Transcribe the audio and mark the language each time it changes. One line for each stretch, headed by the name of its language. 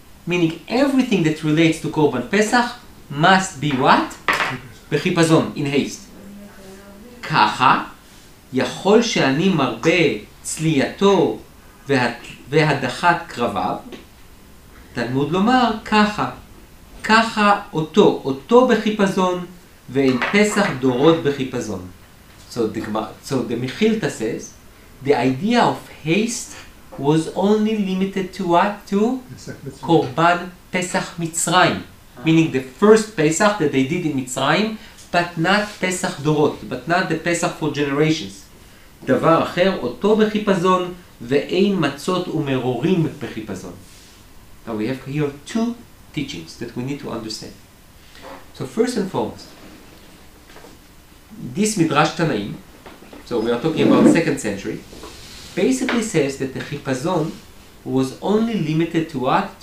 English: Meaning everything that relates to Korban Pesach must be what? Bechipazon, in haste.
Hebrew: Kacha, yachol she'ani marbe tzliyato והדחת קרביו, תלמוד לומר ככה, ככה אותו בחיפזון, ואין פסח דורות בחיפזון.
English: So the Michilta says, the idea of haste was only limited to what? To Korban Pesach Mitzrayim. Meaning the first Pesach that they did in Mitzrayim, but not Pesach דורות, but not the Pesach for generations.
Hebrew: דבר אחר, אותו בחיפזון, ואין מצות ומרורים בחיפזון.
English: Now we have here two teachings that we need to understand. So first and foremost, this Midrash Tanaim, so we are talking about the second century, basically says that the chipazon was only limited to what?